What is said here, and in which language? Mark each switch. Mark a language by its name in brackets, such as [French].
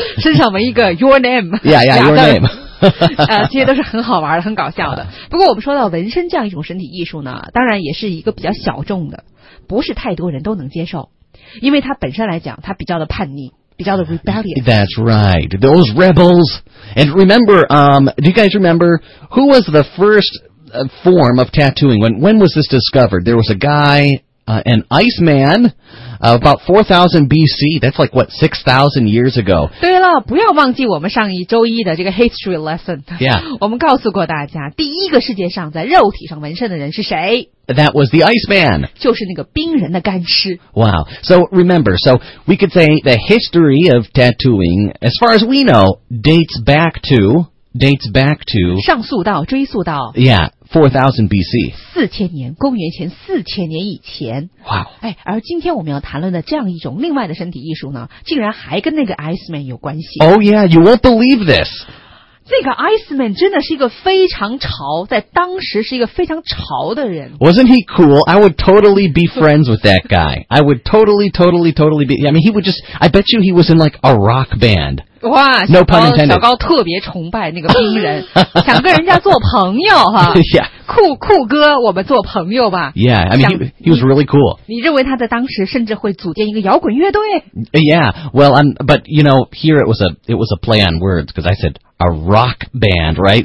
[Chinese] 身上纹一个 [English] your name. Yeah, yeah, your name. [Chinese] 这些都是很好玩的，很搞笑的。不过我们说到纹身这样一种身体艺术呢，当然也是一个比较小众的，不是太多人都能接受，因为它本身来讲它比较的叛逆，比较的 rebellious. [English] That's right, those rebels. And remember, do you guys remember who was the first form of tattooing? When was this discovered? There was a guy, an ice man. About 4000 BC, that's like what, 6000 years ago. [Chinese] 对了，不要忘记我们上一周一的这个 [English] history lesson. Yeah. [Chinese] 我们告诉过大家，第一个世界上在肉体上纹身的人是谁？ [English] That was the Iceman. [Chinese] 就是那个冰人的干尸。 Wow. [English] So remember, so we could say the history of tattooing, as far as we know, dates back to... [Chinese] 上溯到，追溯到。 [English] Yeah. 4000 BC. [Chinese] 4000年，公元前4000年以前。哇、 wow. 哎，而今天我们要谈论的这样一种另外的身体艺术呢，竟然还跟那个 Iceman 有关系。 [English] Oh yeah, you won't believe this. [Chinese] 这个 Iceman 真的是一个非常潮，在当时是一个非常潮的人。 [English] Wasn't he cool? I would totally be friends with that guy. I would totally be, I mean, he would just, I bet you he was in like a rock band. 哇、 no pun intended. [Chinese] 小高特别崇拜那个冰人想跟人家做朋友哈、 [English] yeah. [Chinese] 酷哥我们做朋友吧 [English] Yeah, I mean, he was really cool. [Chinese] 你认为他在当时甚至会组建一个摇滚乐队 [English] Yeah, well, but you know, here it was a play on words, because I said a rock band, right?